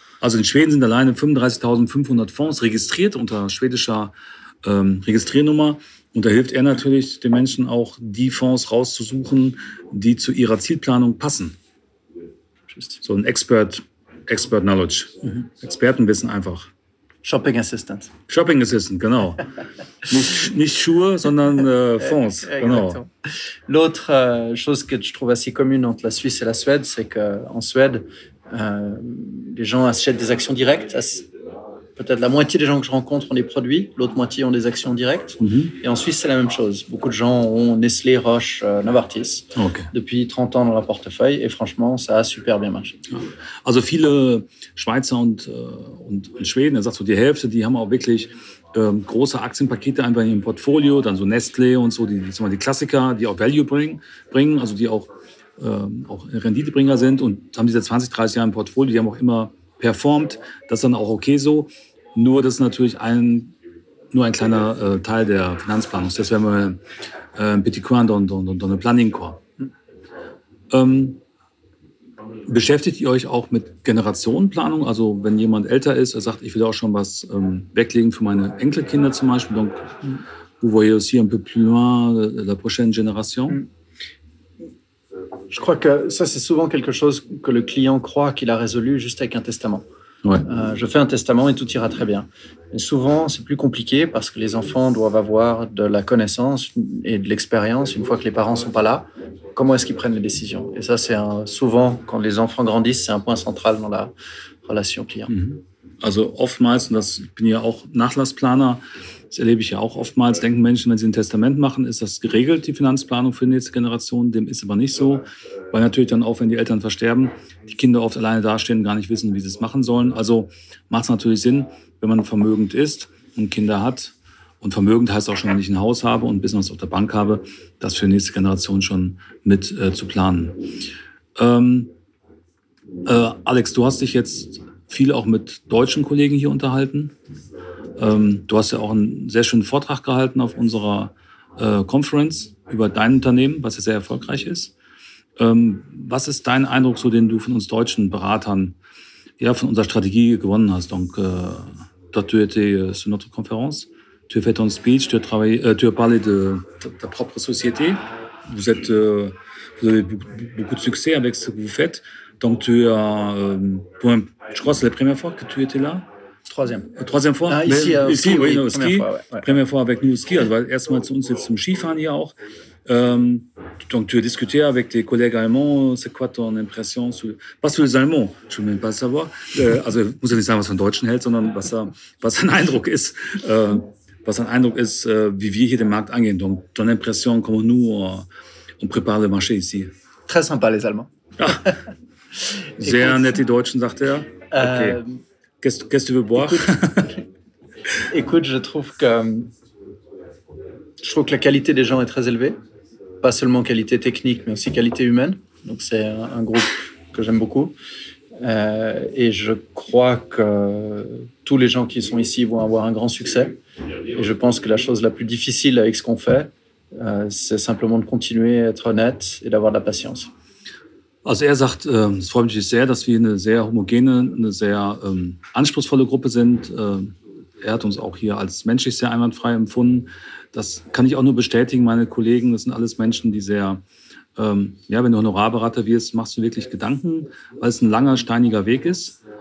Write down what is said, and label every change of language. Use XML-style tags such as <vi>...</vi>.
<de>Also in Schweden sind alleine 35.500 Fonds registriert unter schwedischer Registriernummer und da hilft er natürlich den Menschen auch, die Fonds rauszusuchen, die zu ihrer Zielplanung passen. So ein Expert Knowledge. Mhm. Expertenwissen einfach.</de> <en>Shopping Assistant,</en> <de>genau. nicht Schuhe, sondern Fonds. Genau.</de> <fr>L'autre chose que je trouve assez commune entre la Suisse et la Suède, c'est qu'en Suède, les gens achètent des actions directes. Peut-être la moitié des gens que je rencontre ont des produits, l'autre moitié ont des actions directes. Mm-hmm. Et en Suisse, c'est la même chose. Beaucoup de gens ont Nestlé, Roche, Novartis okay. Depuis 30 ans dans leur portefeuille. Et franchement, ça a super bien marché.</fr> <de>Also viele Schweizer und Schweden, er sagt so die Hälfte, die haben auch wirklich große Aktienpakete einfach in ihrem Portfolio, dann so Nestlé und so, die Klassiker, die auch Value bringen, also die auch Renditebringer sind und haben diese 20, 30 Jahre im Portfolio, die haben auch immer performt, das ist dann auch okay so. Nur das ist natürlich nur ein kleiner Teil der Finanzplanung. Das wäre mal ein</de> <fr>petit coin dans le planning quoi.</fr> <de>Beschäftigt ihr euch auch mit Generationenplanung? Also wenn jemand älter ist, er sagt, ich will auch schon was weglegen für meine Enkelkinder zum Beispiel.</de> <fr>Donc, vous voyez aussi un peu plus loin la prochaine génération? Je crois que ça, c'est souvent quelque chose que le client croit qu'il a résolu juste avec un testament. Ouais. Je fais un testament et tout ira très bien. Mais souvent, c'est plus compliqué parce que les enfants doivent avoir de la connaissance et de l'expérience une fois que les parents ne sont pas là. Comment est-ce qu'ils prennent les décisions? Et ça, c'est souvent, quand les enfants grandissent, c'est un point central dans la relation client.</fr> <de>Mm-hmm. Also, oftmals, und das bin ja auch Nachlassplaner, Das erlebe ich ja auch oftmals. Denken Menschen, wenn sie ein Testament machen, ist das geregelt, die Finanzplanung für die nächste Generation. Dem ist aber nicht so, weil natürlich dann auch, wenn die Eltern versterben, die Kinder oft alleine dastehen und gar nicht wissen, wie sie es machen sollen. Also macht es natürlich Sinn, wenn man vermögend ist und Kinder hat. Und vermögend heißt auch schon, wenn ich ein Haus habe und ein Business auf der Bank habe, das für die nächste Generation schon mit zu planen. Alex, du hast dich jetzt viel auch mit deutschen Kollegen hier unterhalten. Du hast ja auch einen sehr schönen Vortrag gehalten auf unserer Conference über dein Unternehmen, was ja sehr erfolgreich ist. Was ist dein Eindruck, so den du von uns deutschen Beratern, ja, von unserer Strategie gewonnen hast? Donc, dort wird die Synodre-Konferenz.</de> <fr>Tu fais ton speech, tu as parlé de ta propre société. Vous avez beaucoup de succès avec ce que vous faites. Donc, tu as. Je crois que c'est la première fois que tu étais là. Troisième fois. Ah, ici, au ski. Oui, au ski. Première fois avec nous au ski.</fr> <de>Also, erstmal zu uns jetzt zum Skifahren hier auch.</de> <fr>Donc, tu as discuté avec tes collègues allemands. C'est quoi ton impression sur. Pas sur les Allemands. Je veux même pas savoir.</fr> <de>Also, ich muss ja nicht sagen, was ein Deutschen hält, sondern was sein Eindruck ist. Was ein Eindruck ist, wie wir hier den Markt angehen.</de> <fr>Donc, ton impression, comment nous on prépare le marché ici? Très sympa, les Allemands.</fr> <de>Ja. Sehr nett, die Deutschen, sagt er. Okay.</de> <fr>Qu'est-ce que tu veux boire? Écoute, je trouve que la qualité des gens est très élevée. Pas seulement qualité technique, mais aussi qualité humaine. Donc, c'est un groupe que j'aime beaucoup. Et je crois que tous les gens qui sont ici vont avoir un grand succès. Et je pense que la chose la plus difficile avec ce qu'on fait, c'est simplement de continuer à être honnête et d'avoir de la patience.</fr> <de>Also er sagt, es freut mich sehr, dass wir eine sehr homogene, eine sehr anspruchsvolle Gruppe sind. Er hat uns auch hier als menschlich sehr einwandfrei empfunden. Das kann ich auch nur bestätigen, meine Kollegen, das sind alles Menschen, die sehr, ja, wenn du Honorarberater wirst, machst du wirklich Gedanken, weil es ein langer, steiniger Weg ist.</de>